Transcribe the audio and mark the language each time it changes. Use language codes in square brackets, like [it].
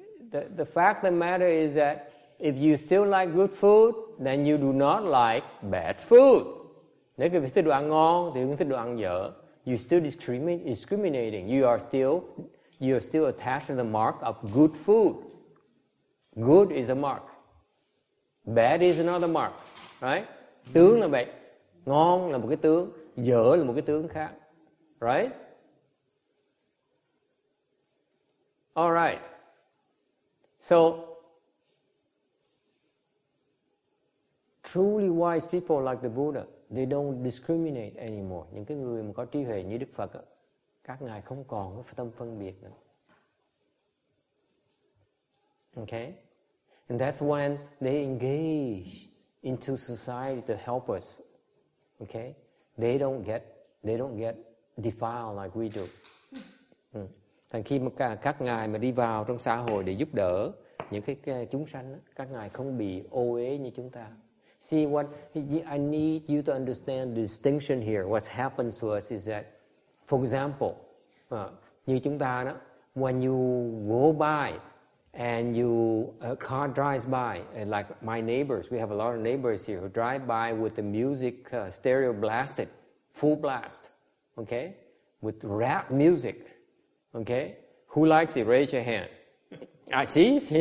[en] The fact of the matter is that if you still like good food, then you do not like bad food. [vi] Nếu quý vị thích đồ ăn ngon, thì quý vị thích đồ ăn dở. [en] You still discriminating. You are still attached to the mark of good food. Good is a mark. Bad is another mark, right? [vi] Tướng là vậy. Ngon là một cái tướng, dở là một cái tướng khác, right? [en] All right. So, truly wise people like the Buddha, they don't discriminate anymore. [vi] Những cái người mà có trí huệ như Đức Phật, các ngài không còn có tâm phân biệt nữa. [en] Okay? And that's when they engage into society to help us. Okay? They don't get defiled like we do. [vi] Thành khi mà các ngài mà đi vào trong xã hội để giúp đỡ những cái chúng sanh, các ngài không bị ô uế như chúng ta. [en] See, what I need you to understand the distinction here, what happens to us is that, for example, [vi] như chúng ta đó, [en] when you go by and you a car drives by, like my neighbors, we have a lot of neighbors here who drive by with the music stereo blasted, full blast, okay, with rap music, okay, who likes it? Raise your hand. I see.